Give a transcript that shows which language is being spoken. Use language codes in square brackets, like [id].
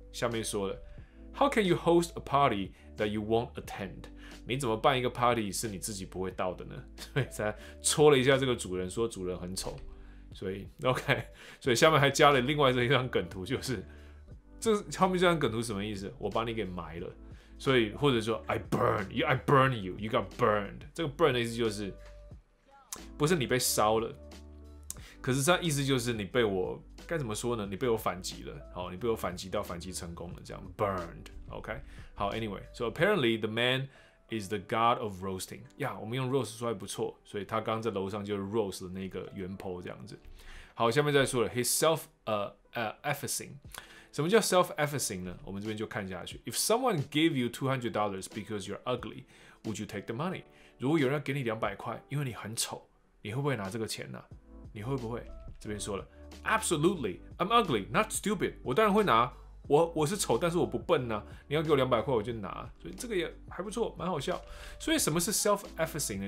[zh] 下面说的 [en] ，How can you host a party that you won't attend？ [zh] 你怎么办一个 party 是你自己不会到的呢？所以他戳了一下这个主人，说主人很丑。所以 OK， 所以下面还加了另外一张梗图，就是这后面这张梗图什么意思？我把你给埋了。 [en] 所以或者说 I burn you, I burn you, you got burned。 [zh] 这个 burn 的意思就是不是你被烧了，可是这意思就是你被我该怎么说呢？你被我反击了，好，你被我反击到反击成功了，这样 burned。 [en] OK， [zh] 好 [en] ，Anyway， so apparently the man is the god of roasting。 [zh] 呀，我们用 roast 说还不错，所以他刚在楼上就 roast 的那个圆抛这样子。好，下面再说了 ， [en] his self effacing。 [zh] 什么叫 self effacing 呢？我们这边就看下去。 [en] If someone gave you $200 because you're ugly, would you take the money？ [zh] 如果有人给你200块，因为你很丑，你会不会拿这个钱呢、啊？你会不会？这边说了 ， [en] Absolutely， I'm ugly， not stupid。 [zh] 我当然会拿。我是丑，但是我不笨呢、啊。你要给我200块，我就拿。所以这个也还不错，蛮好笑。所以什么是 self effacing 呢？